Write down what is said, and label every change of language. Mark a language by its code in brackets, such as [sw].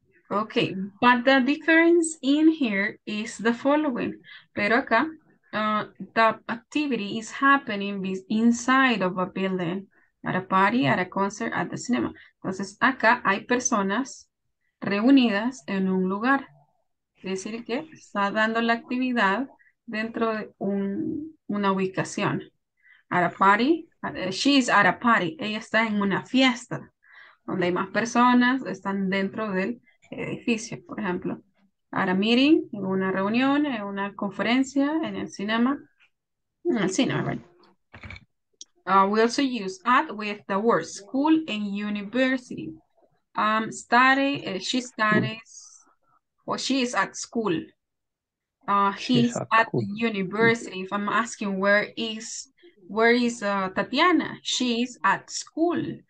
[en] Okay, but the difference in here is the following. [es] Pero acá, [en] the activity is happening inside of a building. At a party, at a concert, at the cinema. [es] Entonces, acá hay personas reunidas en un lugar. Es decir, que está dando la actividad dentro de un, una ubicación. [en] At a party, she's at a party. [es] Ella está en una fiesta donde hay más personas, están dentro del edificio, por ejemplo. [en] At a meeting, [es] en una reunión, en una conferencia, en el cinema. En el cinema, right? [en] We also use at with the words school and university. Study, she studies, or she is at school. He's at the university. If I'm asking where is Tatiana, she's at school.